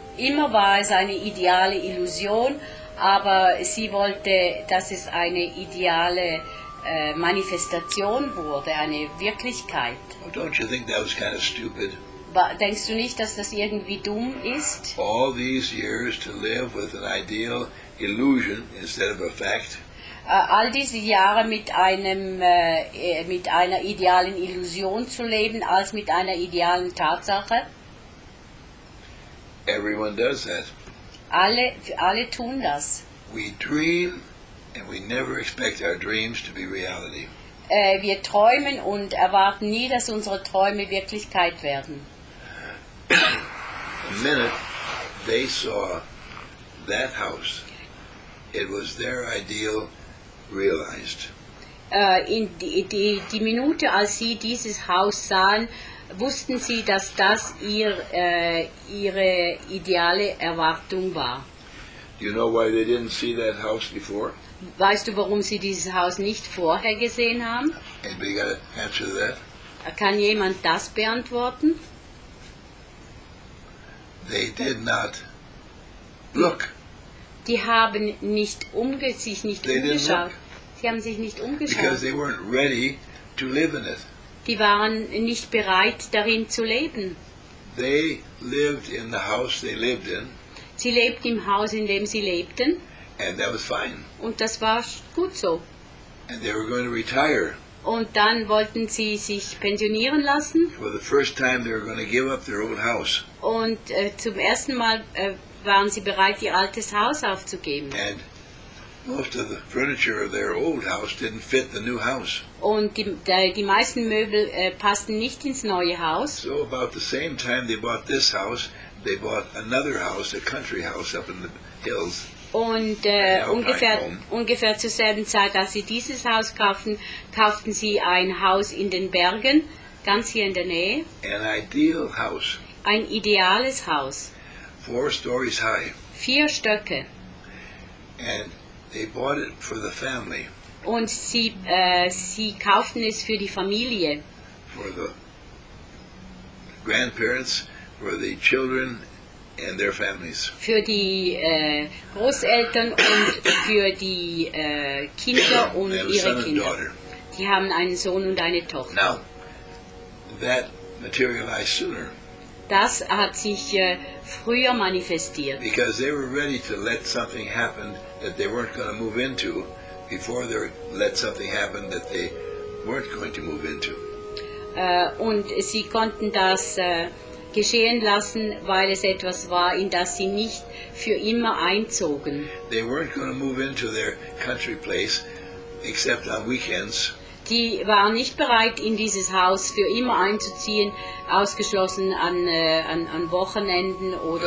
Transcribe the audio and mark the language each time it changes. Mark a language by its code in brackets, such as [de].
[de] Immer war es eine ideale Illusion, aber sie wollte, dass es eine ideale Manifestation wurde, eine Wirklichkeit. [en] Well, don't you think that was kind of stupid? [de] Denkst du nicht, dass das irgendwie dumm ist? [en] All these years to live with an ideal illusion instead of a fact. [de] All diese Jahre mit einer idealen Illusion zu leben als mit einer idealen Tatsache. [en] Everyone does that. [de] Alle tun das. [en] We dream and we never expect our dreams to be reality. [de] Wir träumen und erwarten nie, dass unsere Träume Wirklichkeit werden. [en] The minute they saw that house, it was their ideal realized. [de] In die Minute, als sie dieses Haus sahen, wussten sie, dass das ihre ideale Erwartung war. [en] You know why they didn't see that house before? [de] Weißt du, warum sie dieses Haus nicht vorher gesehen haben? [en] Anybody got an answer to that? [de] Kann jemand das beantworten? [en] They did not look. [de] Die haben nicht sich nicht [en] they [de] umgeschaut. Die haben sich nicht umgeschaut. [en] Because they weren't ready to live in it. [de] Die waren nicht bereit, darin zu leben. [en] They lived in the house they lived in. [de] Sie lebten im Haus, in dem sie lebten. [en] And that was fine. [de] Und das war gut so. [en] And they were going to retire. [de] Und dann wollten sie sich pensionieren lassen. [en] For the first time they were going to give up their old house. [de] Und zum ersten Mal waren sie bereit, ihr altes Haus aufzugeben. [en] And most of the furniture of their old house didn't fit the new house. [de] Und die meisten Möbel passten nicht ins neue Haus. [en] So about the same time they bought this house, they bought another house, a country house up in the hills. [de] Und ungefähr zur selben Zeit, als sie dieses Haus kauften, kauften sie ein Haus in den Bergen, ganz hier in der Nähe. [en] An ideal house. [de] Ein ideales Haus. [en] Four stories high. [de] Vier Stöcke. [en] And they bought it for the family. [de] Und sie kauften es für die Familie. [en] For the grandparents, for the children and their families. [de] Für die Großeltern und für die Kinder und ihre Kinder. Die haben einen Sohn und eine Tochter. [en] Now, that materialized sooner. [de] Das hat sich früher manifestiert. [en] Because they were ready to let something happen that they weren't going to move into before they let something happen that they weren't going to move into. [de] Und sie konnten das geschehen lassen, weil es etwas war, in das sie nicht für immer einzogen. [en] They weren't going to move into their country place except on weekends. [de] Die waren nicht bereit, in dieses Haus für immer einzuziehen, ausgeschlossen an Wochenenden oder